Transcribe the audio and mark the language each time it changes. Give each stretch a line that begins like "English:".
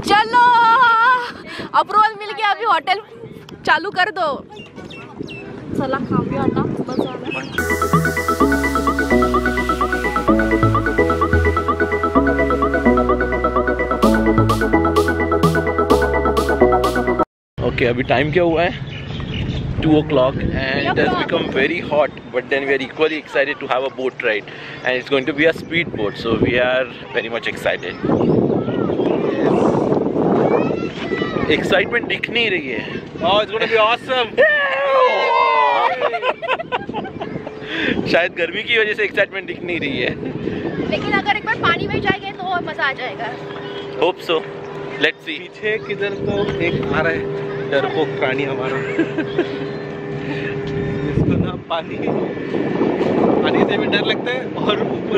Hindi: चलो अप्रूवल मिल गया, अभी होटल चालू कर दो। चला खा भी आना बाजार में। Okay, अभी टाइम क्या हुआ है?
English: 2:00 and it has become very hot, but then we are equally excited to have a boat ride, and it's going to be a speed boat, so we are very much excited.
Hindi: Excitement दिख नहीं रही है।
English: Oh, it's going to be awesome.
Hindi: शायद गर्मी की वजह से excitement दिख नहीं रही है। लेकिन अगर एक बार पानी में जाएंगे तो और मजा आ जाएगा।
English: Hope so. Let's see.
Hindi: पीछे किधर तो एक आ रहा है। डरपोक प्राणी हमारा, इसको ना पानी पानी से भी डर लगता है और ऊपर